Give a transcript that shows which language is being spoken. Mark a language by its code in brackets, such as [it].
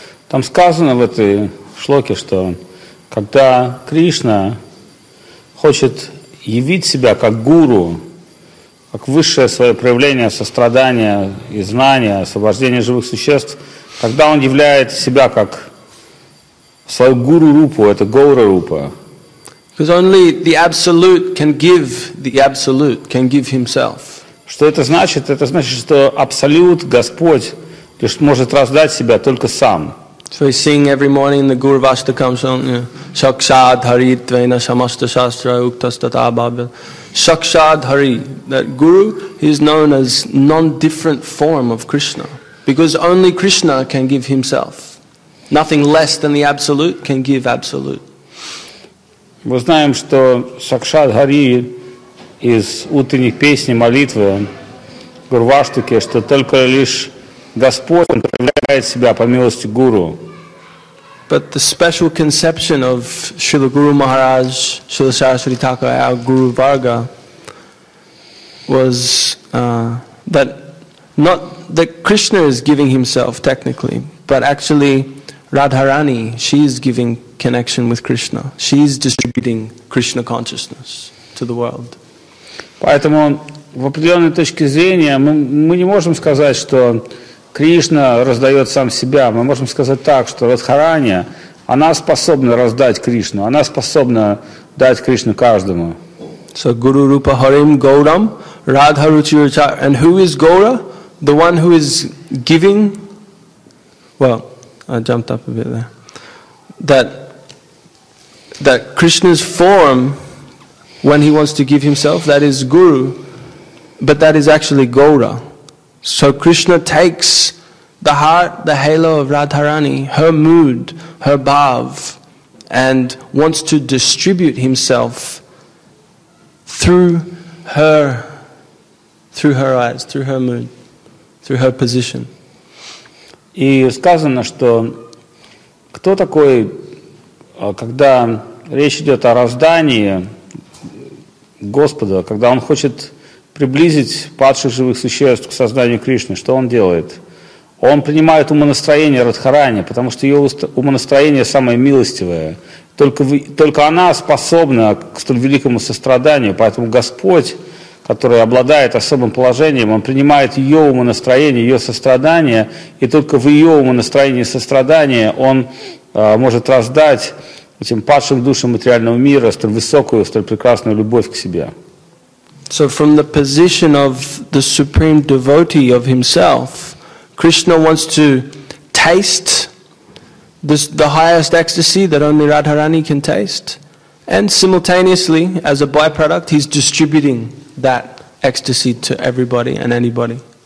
[ru] Там сказано в этой шлоке, что когда Кришна хочет явить себя как Гуру, как высшее свое проявление сострадания и знания, освобождения живых существ, тогда он являет себя как свою гуру рупу, это гоура рупа. [en] Because only the absolute can give the absolute, can give himself. [ru] Что это значит? Это значит, что абсолют, Господь, лишь может раздать себя только сам. [en] So we sing every morning in the Guru Vashtakam song, [sa] Shakshad Hari Tvena Samasta Shastra Uktastata Bhavya. [en] Shakshad Hari, that Guru, he is known as non-different form of Krishna. Because only Krishna can give himself. Nothing less than the absolute can give absolute. [ru] Мы знаем, что Шакшад Хари из утренних песней молитвы Гуру Ваштаке, что только лишь Господь проявляет себя по милости Гуру. [en] But the special conception of Srila Guru Maharaj, Srila Saraswati Thakur, our Guru Varga, was that not that Krishna is giving himself technically, but actually Radharani, she is giving connection with Krishna. She is distributing Krishna consciousness to the world. [ru] Поэтому в определенной точке зрения мы не можем сказать, что Кришна раздает сам себя. Мы можем сказать так, что Радхарани, она способна раздать Кришну. Она способна дать Кришну каждому. [sa] So Guru Rupa Harim Gauram Radha Ruchi Ruchar. [en] And who is Gaura? The one who is giving, well, I jumped up a bit there. That Krishna's form, when he wants to give himself, that is Guru, but that is actually Gaura. So Krishna takes the heart, the halo of Radharani, her mood, her bhav, and wants to distribute himself through her eyes, through her mood. Through her position. [ru] И сказано, что кто такой, когда речь идет о раздании Господа, когда он хочет приблизить падших живых существ к сознанию Кришны, что он делает? Он принимает умонастроение Радхарани, потому что ее умонастроение самое милостивое. Только она способна к столь великому состраданию, поэтому Господь который обладает особым положением, он принимает ее умонастроение, ее сострадание, и только в ее умонастроении и сострадании он может раздать этим падшим душам материального мира столь высокую, столь прекрасную любовь к себе. [en] So from the position of the supreme devotee of himself, Krishna wants to taste this, the highest ecstasy that only Radharani can taste. And simultaneously, as a byproduct, he's distributing that ecstasy to everybody and anybody.